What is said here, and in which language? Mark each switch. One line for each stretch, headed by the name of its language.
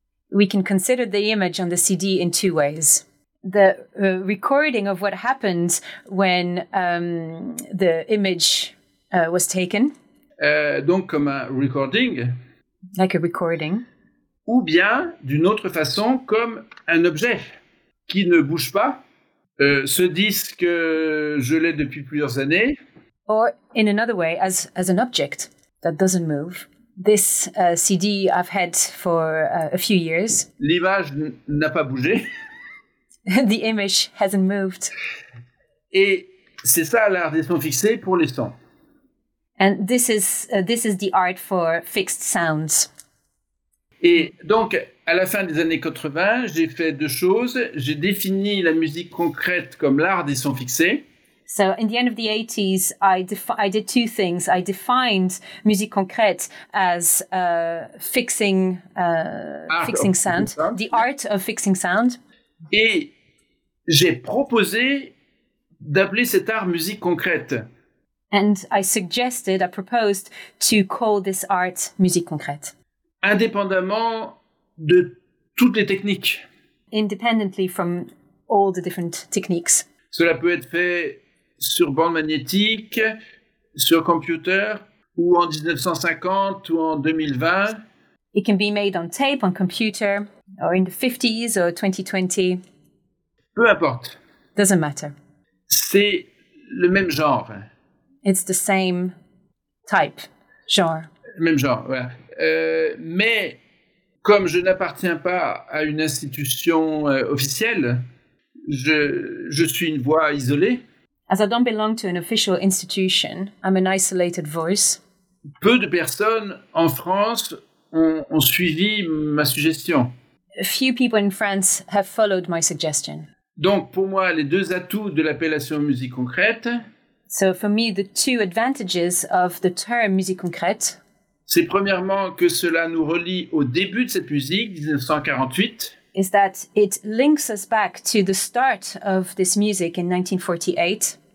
English: We can consider the image on the CD in two ways. The recording of what happened when the image was taken.
French: Donc comme un recording.
English: Like a recording.
French: Ou bien, d'une autre façon, comme un objet qui ne bouge pas. Ce disque, je l'ai depuis plusieurs années.
English: Or, in another way, as an object that doesn't move. This CD I've had for a few years.
French: L'image n'a pas bougé.
English: The image hasn't moved.
French: Et c'est ça l'art des sons fixés pour les sons.
English: And this is the art for fixed sounds.
French: Et donc, à la fin des années 80, j'ai fait deux choses. J'ai défini la musique concrète comme l'art des sons fixés.
English: So, in the end of the 80s, I did two things. I defined musique concrète as fixing sound, the art of fixing sound.
French: Et j'ai proposé d'appeler cet art musique concrète.
English: And I proposed to call this art musique concrète.
French: Indépendamment de toutes les techniques.
English: Independently from all the different techniques.
French: Cela peut être fait sur bande magnétique, sur computer, ou en 1950 ou en 2020.
English: It can be made on tape, on computer, or in the 50s or 2020.
French: Peu importe.
English: Doesn't matter.
French: C'est le même genre.
English: It's the same type, genre.
French: Le même genre, voilà. Mais comme je n'appartiens pas à une institution officielle, je suis une voix isolée.
English: As I don't belong to an official institution, I'm an isolated voice.
French: Peu de personnes en France ont suivi ma suggestion.
English: A few people in France have followed my suggestion.
French: Donc pour moi, les deux atouts de l'appellation musique concrète.
English: So for me, the two advantages of the term musique concrète.
French: C'est premièrement que cela nous relie au début de cette musique, 1948.
English: Is that it links us back to the start of this music in 1948.